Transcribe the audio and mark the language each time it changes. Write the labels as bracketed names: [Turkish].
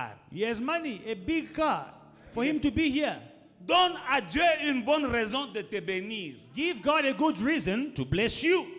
[English] He has money, a big car, for him to be here. [French] Donne à Dieu une bonne raison de te bénir. [English] Give God a good reason to bless you.